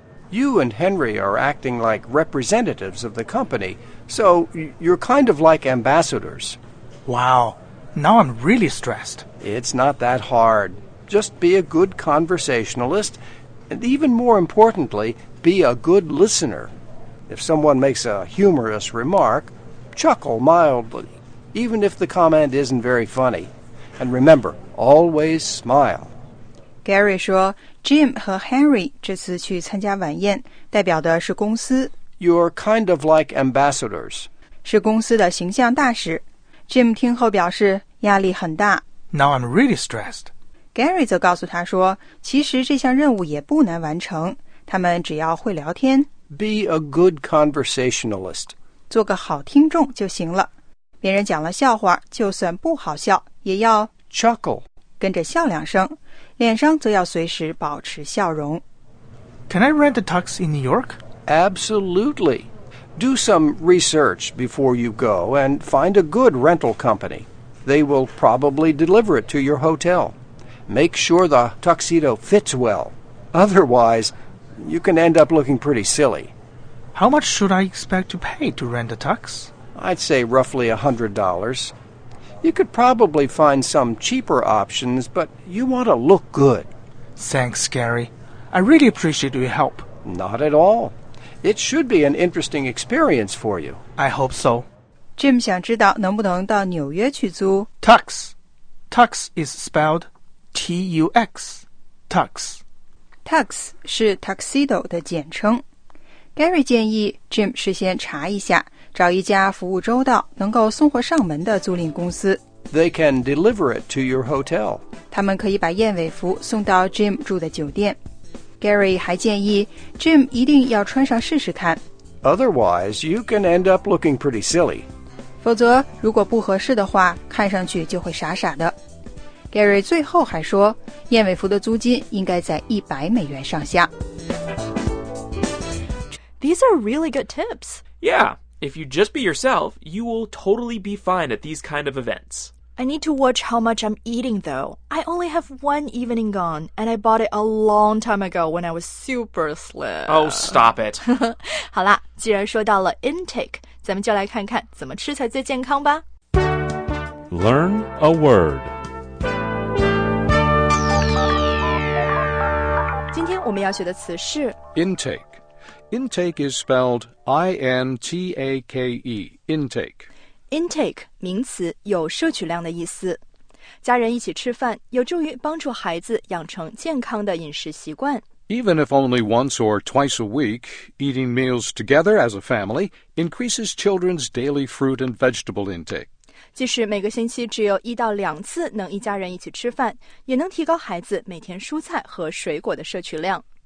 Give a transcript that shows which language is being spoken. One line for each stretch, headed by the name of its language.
English: You and Henry are acting like representatives of the company, so you're kind of like ambassadors. Wow, now I'm really stressed. It's not that hard. Just be a good conversationalist, and even more importantly, be a good listener. If someone makes a humorous remark, chuckle mildly, even if the comment isn't very funny. And remember, always smile.
Chinese: Gary 说 ,Jim 和 Henry 这次去参加晚宴代表的是公司。
English: You're kind of like ambassadors.
Chinese: 是公司的形象大使。 Jim 听后表示压力很大。
English: Now I'm really stressed.
Chinese: Gary 则告诉他说其实这项任务也不难完成他们只要会聊天。
English: Be a good conversationalist.
Chinese: 做个好听众就行了。别人讲了笑话就算不好笑也要
English: chuckle.
Chinese: 跟着笑两声。脸上则要随时保持笑容。
English: Can I rent a tux in New York? Absolutely. Do some research before you go and find a good rental company. They will probably deliver it to your hotel. Make sure the tuxedo fits well. Otherwise, you can end up looking pretty silly. How much should I expect to pay to rent a tux? I'd say roughly $100. You could probably find some cheaper options, but you want to look good. Thanks, Gary. I really appreciate your help. Not at all. It should be an interesting experience for you. I hope so.
Chinese: Jim 想知道能不能到纽约去租
English: Tux. Tux is spelled T-U-X. Tux.
Chinese: Tux 是 tuxedo 的简称。 Gary 建议 Jim 事先查一下找一家服务周到能够送货上门的租赁公司
English: They can deliver it to your hotel
Chinese: 他们可以把燕尾服送到 Jim 住的酒店 Gary 还建议 Jim 一定要穿上试试看
English: Otherwise you can end up looking pretty silly
Chinese: 否则如果不合适的话看上去就会傻傻的 Gary 最后还说燕尾服的租金应该在100美元上下
English: These are really good tips Yeah If you just be yourself, you will totally be fine at these kind of events. I need to watch how much I'm eating, though. I only have one evening gone, and I bought it a long time ago when I was super slim. Oh, stop it.
Chinese: 好啦，既然说到了 intake, 咱们就来看看怎么吃才最健康吧。
English: Learn a word.
Chinese: 今天我们要学的词是
English: intake. Intake is spelled I-N-T-A-K-E, intake.
Chinese: Intake, 名词,有摄取量的意思。家人一起吃饭,有助于帮助孩子养成健康的饮食习惯。
English: Even if only once or twice a week, eating meals together as a family increases children's daily fruit and vegetable intake.
Chinese: 即使每个星期只有一到两次能一家人一起吃饭,也能提高孩子每天蔬菜和水果的摄取量。